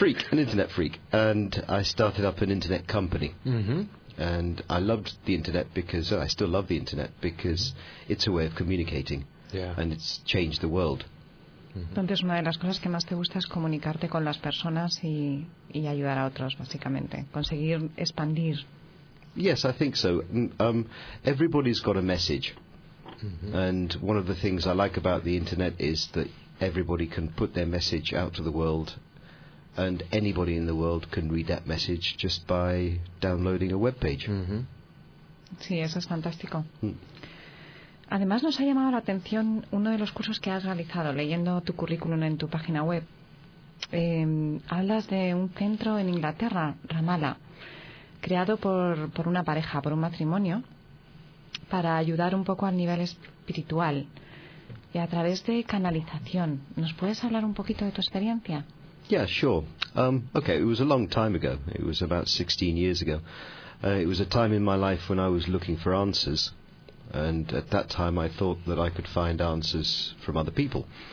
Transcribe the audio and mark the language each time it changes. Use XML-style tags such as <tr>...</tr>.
<en>An internet freak. And I started up an internet company. And I loved the internet because, I still love the internet, because it's a way of communicating. Yeah. And it's changed the world.</en> <es>Entonces, una de las cosas que más te gusta es comunicarte con las personas y ayudar a otros, básicamente. Conseguir expandir.</es> <en>Yes, I think so. Everybody's got a message. And one of the things I like about the internet is that everybody can put their message out to the world, and anybody in the world can read that message just by downloading a web page.</en> <es>Sí, eso es fantástico. Además, nos ha llamado la atención uno de los cursos que has realizado, leyendo tu currículum en tu página web. Hablas de un centro en Inglaterra, Ramala, creado por una pareja, por un matrimonio, para ayudar un poco al nivel espiritual y a través de canalización. ¿Nos puedes hablar un poquito de tu experiencia?</es> <en>Yeah, sure. Okay, it was a long time ago. It was about 16 years ago. It was a time in my life when I was looking for answers. And at that time, I thought that I could find answers from other people.</en>